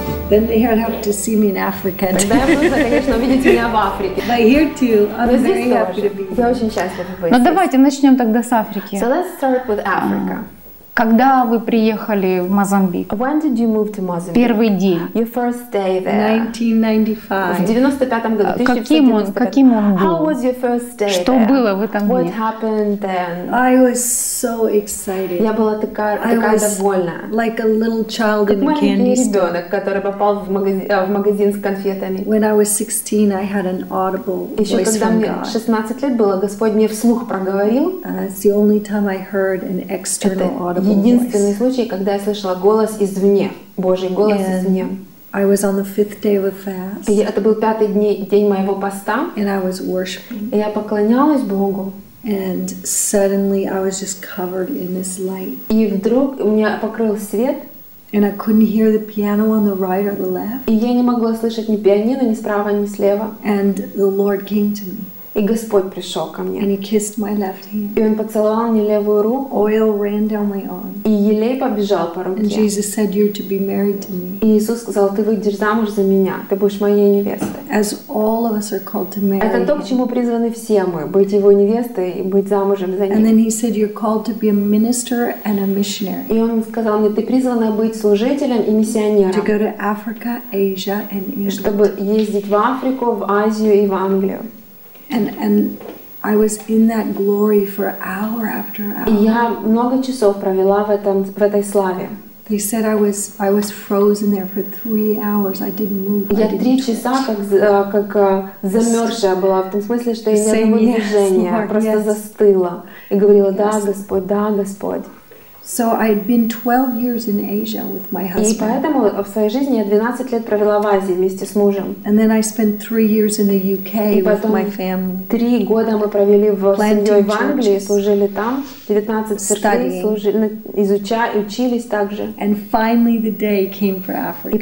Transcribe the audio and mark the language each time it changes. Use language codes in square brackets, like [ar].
[en] Then they would have to see me in Africa. [ru] Тогда можно, конечно, увидеть меня в Африке. [en] But here too, I'm very happy to be. [ru] Я очень счастлива. Ну давайте начнем тогда с Африки. [en] So let's start with Africa. [ru] Когда вы приехали в Мозамбик? [en] When did you move to Mozambique? [ru] Первый день. [en] Your first day there. 1995. [ru] В 95-м году. Каким он был? [en] How was your first day [ru] Что [en] there? [ru] Было в этом [en] What [ru] дне? [en] What happened then? I was so excited. [ru] Я была такая довольна. [en] Like a little child in a candy store. [ru] Как маленький ребенок, который попал в магазин с конфетами. [en] When I was 16, I had an audible voice from God. [ru] Еще когда мне 16 лет было, Господь мне вслух проговорил. [en] It's the only time I heard an external audible. [ru] Единственный случай, когда я слышала голос извне, Божий голос [en] And [ru] извне. [en] I was on the fifth day of a fast. [ru] И это был пятый день моего поста. [en] And I was worshiping. [ru] И я поклонялась Богу. [en] And suddenly I was just covered in this light. [ru] И вдруг у меня покрыл свет. [en] And I couldn't hear the piano on the right or the left. [ru] И я не могла слышать ни пианино, ни справа, ни слева. [en] And the Lord came to me. [ru] И Господь пришел ко мне. [en] And he kissed my left hand. [ru] И Он поцеловал мне левую руку. [en] Oil ran down my arm. [ru] И елей побежал по руке. [en] And Jesus said, "You're to be married to me." [ru] И Иисус сказал, ты выйдешь замуж за меня, ты будешь моей невестой. [en] As all of us are called to marry. [ru] Это то, к чему призваны все мы, быть его невестой и быть замужем за ним. [en] And then he said, "You're called to be a minister and a missionary." [ru] И Он сказал мне, ты призвана быть служителем и миссионером. [en] To go to Africa, Asia, and England. [ru] Чтобы ездить в Африку, в Азию и в Англию. [en] And I was in that glory for hour after hour. [ru] Я много часов провела в этой славе. [en] They said I was frozen there for 3 hours. I didn't move. [ru] Я 3 часа как замерзшая была, в том смысле, что я не могла движения, просто застыла и говорила: "Да, Господь, да, Господь." [en] So I'd been 12 years in Asia with my husband. [ru] И поэтому в своей жизни я 12 лет провела в Азии вместе с мужем. [en] And then I spent 3 years in the UK with my family. [ru] 3 года мы провели в семьей в Англии, служили там, 19 церквей служили, изучая, учились также. [en] And finally the day came for Africa.